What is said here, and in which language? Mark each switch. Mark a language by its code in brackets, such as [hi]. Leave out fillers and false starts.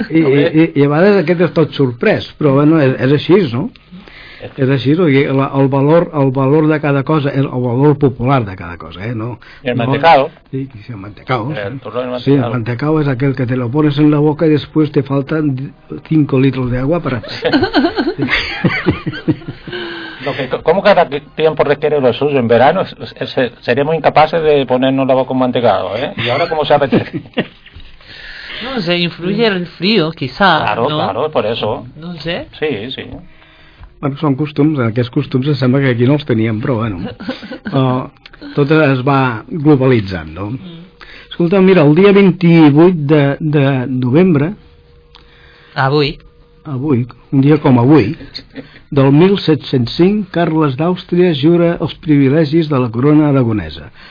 [ca] I a vegades aquest és tot sorprès, però bueno, és així, no? És així, no? El valor de cada cosa, és el valor popular de cada cosa, eh? No, I el mantecao. No, sí, el mantecao. Sí, el mantecao és aquell que [es] te lo pones en la boca [ca] i després te falten 5 litros d'aigua per a... Sí. [es] ¿Cómo cada tiempo requiere lo suyo? En verano seríamos incapaces de ponernos la boca con mantecado, ¿eh? ¿Y ahora cómo se apetece? No sé, influye el frío, quizá. Claro, ¿no? Claro, por eso. No sé. Sí, sí. [ca] Bueno, són costums, aquests costums sembla que aquí no els teníem, però bueno. Tot es va globalitzant, no? Escolta, mira, el dia 28 de novembre... Avui, un dia com avui, del 1705, Carles d'Àustria jura els privilegis de la corona aragonesa.